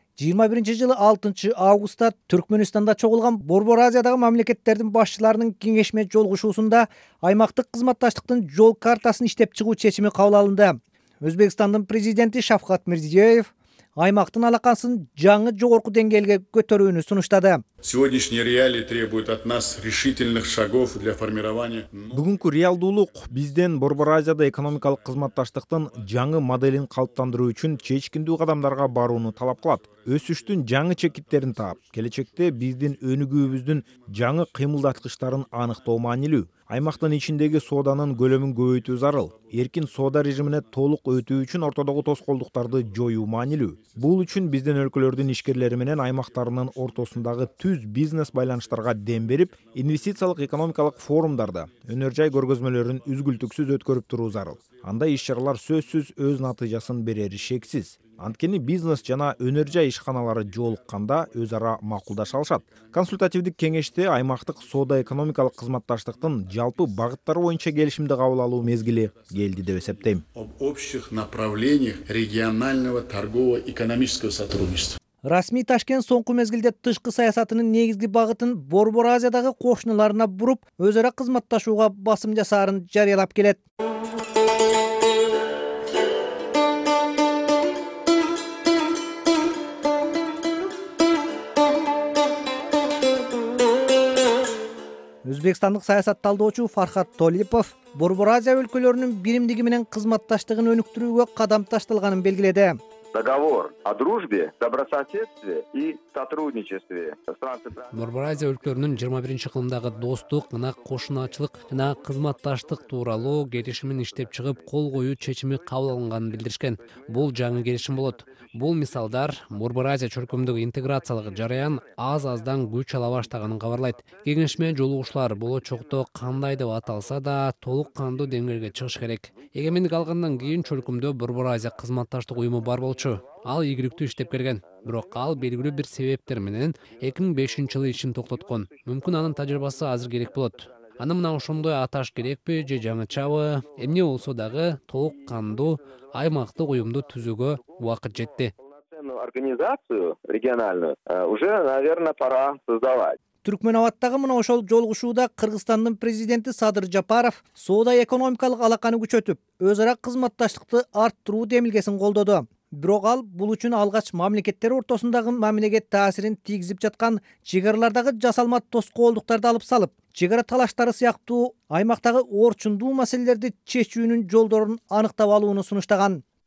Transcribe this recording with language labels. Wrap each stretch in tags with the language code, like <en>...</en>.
<ky>21 жылы 6 августта Түркмөнстанда чогулган Борбор Азиядагы мамлекеттердин башчыларынын кеңешме жолугушуусунда аймактык кызматташтыктын жол картасын иштеп чыгуу чечими кабыл алынды. Өзбекстандын президенти Шавкат Мирзиёев аймактын алакасын жаңы жогорку деңгээлге көтөрүүнү сунуштады.</ky> <ru>Сегодняшние реалии требуют от нас решительных шагов для формирования.</ru> <ky>Бүгүнкү реалдуулук бизден Борбор Азияда экономикалык кызматташтыктын жаңы моделин калыптандыруу үчүн чечкиндүү кадамдарга барууну талап кылат. Өсүштүн жаңы чекиттерин таап, келечекте биздин өнүгүүбүздүн жаңы кыймылдаткычтарын аныктоо маанилүү. Аймактын ичиндеги сооданын көлөмүн көбөйтүү зарыл. Эркин соода режимине толук өтүү үчүн ортодогу тоскоолдуктарды жоюу маанилүү. Бул үчүн биздин өлкөлөрдүн ишкерлери менен аймактарынын ортосундагы түз бизнес байланыштарга дем берип, инвестициялык экономикалык форумдарда өнөр жай көргөзмөлөрүн үзгүлтүксүз өткөрүп туруу зарыл. Андай иш-чаралар сөзсүз өз натыйжасын берери шексиз. Анткени бизнес жана өнөр жай ишканалары жолукканда өз ара макулдаша алышат. Консультативдик кеңеште аймактык соода экономикалык кызматташтыктын жалпы багыттары боюнча келишимди кабыл алуу мезгили келди деп эсептейм.</ky> <ru>Об общих направлениях регионального торгово-экономического сотрудничества.</ru> <ky>Расмий Ташкент соңку мезгилде тышкы саясатынын негизги багытын Борбор Азиядагы кошуналарына буруп, өз ара кызматташууга басым жасаарын жарыялап келет. Өзбекстандык саясат талдоочу Фархат Толипов Борбор Азия өлкөлөрүнүн биримдиги менен кызматташтыгын өнүктүрүүгө кадам ташталганын белгиледи.</ky> <ru>Договор о дружбе, добрососедстве и сотрудничестве стран</ru> <ky>Борбор Азия өлкөлөрүнүн 21-чы кылымдагы достук, анан кошуначылык жана кызматташтык тууралуу келишимин иштеп чыгып, кол коюу чечими кабыл алынганын билдиришкен. Бул жаңы келишим болот. Бул мисалдар Борбор Азия чөлкөмдөгү интеграциялык жараян аз-аздан күч ала баштаганын кабарлайт. Кеңешме жолугушуулар болочокто кандай деп аталса да, толук кандуу деңгээлге чыгыш керек. Эгемендик алгандан кийин чөлкөмдө Борбор Азия кызматташтык уюму бар болчу. Ал ийгиликтүү иштеп келген. Бирок ал белгилүү бир себептер менен 2005 жылы ишин токтоткон. Мүмкүн анын тажрыйбасы азыр керек болот. Аны мына ошондой аташ керекпи же жаңычабы? Эмне болсо дагы толук кандуу аймактык уюмду түзүүгө убакыт жетти.</ky> <ru>Организацию региональную уже, наверное, пора создавать.</ru> <ky>Түркмөнабаттагы мына ошол жолугушууда Кыргызстандын президенти Садыр Жапаров соода экономикалык алаканы күчөтүп, өз ара кызматташтыкты арттыруу демилгесин колдоду. Бирок ал бул үчүн алгач мамлекеттер ортосундагы мамилеге таасирин тийгизип жаткан чек аралардагы жасалма тоскоолдуктарды алып салып, чек ара талаштары сыяктуу аймактагы орчундуу маселелерди чечүүнүн жолдорун аныктап алууну сунуштаган.</ky>